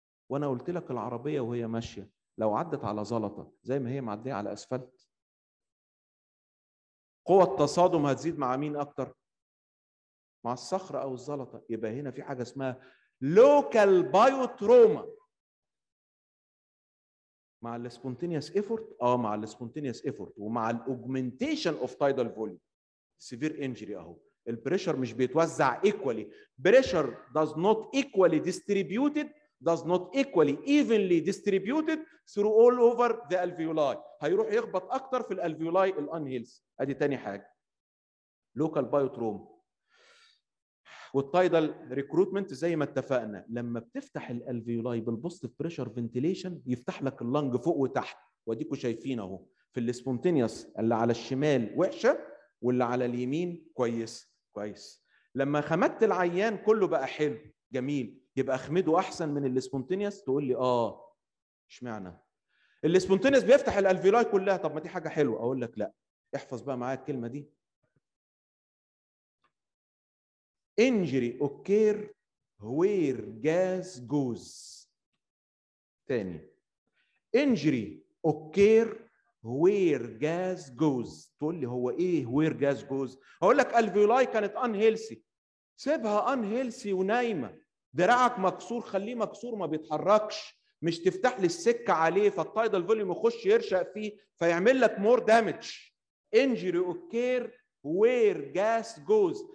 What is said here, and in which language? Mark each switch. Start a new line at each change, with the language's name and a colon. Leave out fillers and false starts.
Arabic: وانا قلت لك العربيه وهي ماشيه لو عدت على زلطه زي ما هي معديه على اسفلت، قوه التصادم هتزيد مع مين اكتر؟ مع الصخرة أو الزلطة. يبقى هنا في حاجة اسمها local biotrauma مع الـ spontaneous effort.
English: مع الـ spontaneous effort
Arabic: ومع الـ
English: augmentation of tidal volume severe injury.
Arabic: أهو الـ
English: pressure
Arabic: مش بيتوزع
English: equally، pressure does not equally distributed does not equally evenly distributed through all over the alveoli.
Arabic: هيروح يخبط أكتر في الـ alveoli الـ unhealthy. أدي تاني حاجة local biotrauma. والتايدل ريكروتمنت زي ما اتفقنا، لما بتفتح الالفيولاي بالبوست بريشر فنتيليشن يفتح لك اللنج فوق وتحت. واديكم شايفين اهو في السبونتينيوس اللي على الشمال وحشه واللي على اليمين كويس. كويس، لما خمدت العيان كله بقى حلو جميل، يبقى اخمده احسن من السبونتينيوس. تقول لي اشمعنى؟ السبونتينيوس بيفتح الالفيولاي كلها، طب ما دي حاجه حلوه. اقول لك لا، احفظ بقى معايا الكلمه دي،
English: injury occur where gas goes.
Arabic: تاني،
English: injury occur where gas goes.
Arabic: تقول لي هو ايه
English: where gas goes؟
Arabic: هقول لك الفيولاي كانت unhealthy، سيبها unhealthy ونايمه، دراعك مكسور خليه مكسور ما بيتحركش، مش تفتح لي السكة عليه فالتايدل فوليوم يخش يرشق فيه فيعمل لك
English: More damage. Injury occur where gas goes.